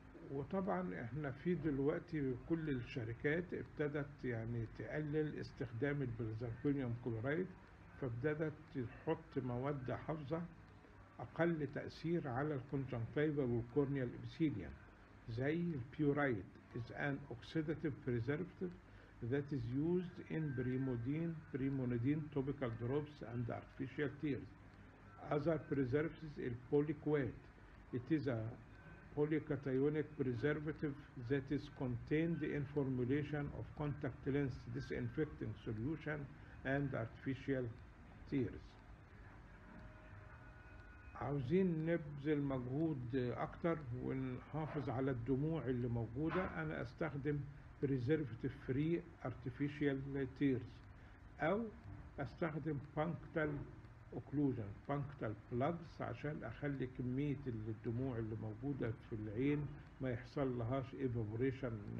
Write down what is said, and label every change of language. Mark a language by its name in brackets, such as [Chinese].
[Arabic] وطبعا احنا في دلوقتي كل الشركات ابتدت يعني تقلل استخدام البنزالكونيوم كلورايد فابتدت تحط مواد حافظة اقل تأثير على الكونجنكتيفا والكورنيا الابسيليا زي البيورايد [English] is an oxidative preservative that is used in primodine topical drops and artificial tears. Other preservatives is البوليكويد. It is a polycationic preservative that is contained in formulation of contact lens disinfecting solution and artificial tears. [Arabic] عاوزين نبذل مجهود اكتر ونحافظ على الدموع اللي موجودة انا استخدم [English] preservative free artificial tears [Arabic] او استخدم [English] punctal occlusion punctal plugs [Arabic] عشان اخلي كمية الدموع اللي موجودة في العين ما يحصل لهاش evaporation